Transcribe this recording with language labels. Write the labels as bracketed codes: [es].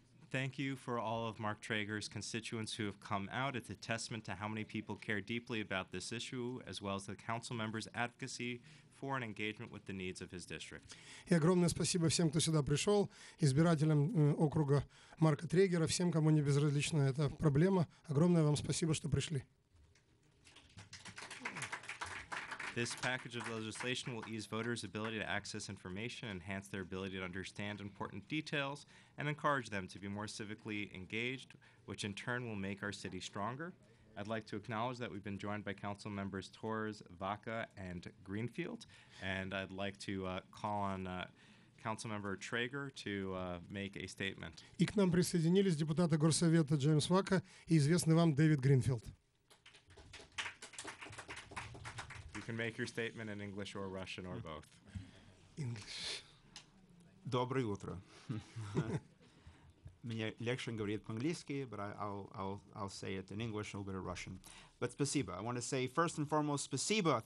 [en] Thank you for all of Mark Traeger's constituents who have come out. It's a testament to how many people care deeply about this issue, as well as the council members' advocacy for an engagement with the needs of his district. [ru] И огромное спасибо всем, кто сюда пришел, избирателям округа Марка Трейгера, всем, кому не безразлична эта проблема. Огромное вам спасибо, что пришли. [en] This package of legislation will ease voters' ability to access information, enhance their ability to understand important details, and encourage them to be more civically engaged, which in turn will make our city stronger. I'd like to acknowledge that we've been joined by Council Members Torres, Vaca, and Greenfield, and I'd like to call on Councilmember Traeger to make a statement. И к нам присоединились депутаты Горсовета Джеймс Вака и известный вам Дэвид Гринфилд. You can make your statement in English or Russian or both. English. [ru] Доброе утро. Мне легче говорить по-английски, [en] but I'll say it in English, a little bit of Russian. But [ru] спасибо. [en] I want to say first and foremost, [ru] спасибо.